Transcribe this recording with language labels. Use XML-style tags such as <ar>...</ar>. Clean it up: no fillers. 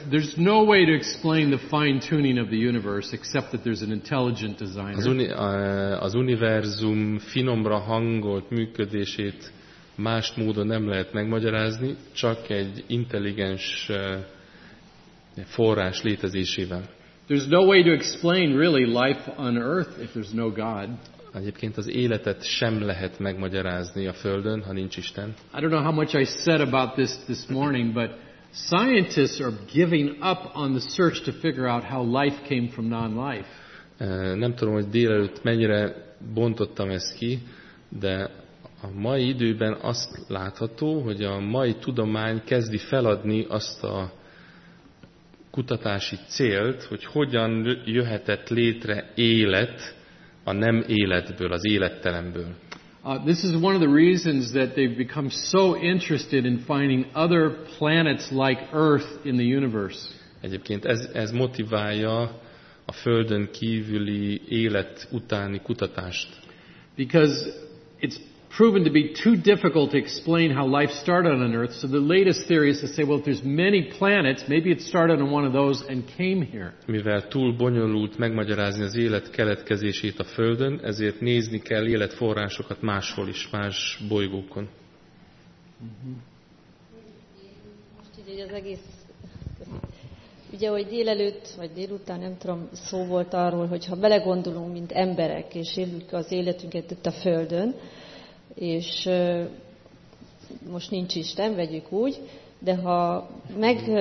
<en>There's no way to explain the fine tuning of the universe except that there's an intelligent designer.</en> <hu>Az univerzum finomra hangolt működését más módon nem lehet megmagyarázni, csak egy intelligens forrás létezésével.</hu> <en>There's no way to explain really life on earth if there's no God.</en> <hu>Egyébként az életet sem lehet megmagyarázni a Földön, ha nincs Isten.</hu> <en>I don't know how much I said about this this morning, but scientists are giving up on the search to figure out how life came from non-life.</en> <hu>Nem tudom, hogy délelőtt mennyire bontottam ezt ki, de a mai időben azt látható, hogy a mai tudomány kezdi feladni azt a kutatási célt, hogy hogyan jöhetett létre élet a nem életből, az élettelemből.</hu> <en>This is one of the reasons that they've become so interested in finding other planets like Earth in the universe.</en> <hu>Egyébként ez motiválja a Földön kívüli élet utáni kutatást.</hu> <en>Because it's proven to be too difficult to explain how life started on Earth, so the latest theory is to say, well, if there's many planets, maybe it started on one of those and came here.</en> <hu>Mivel túl bonyolult megmagyarázni az élet keletkezését a Földön, ezért nézni kell életforrásokat máshol is, más bolygókon. Most így az egész. Ugye, hogy délelőtt, vagy délután, nem tudom, szó volt arról, hogyha belegondolunk, mint emberek, és élünk az életünket itt a Földön, és most nincs Isten, vegyük úgy, de ha meg...</hu>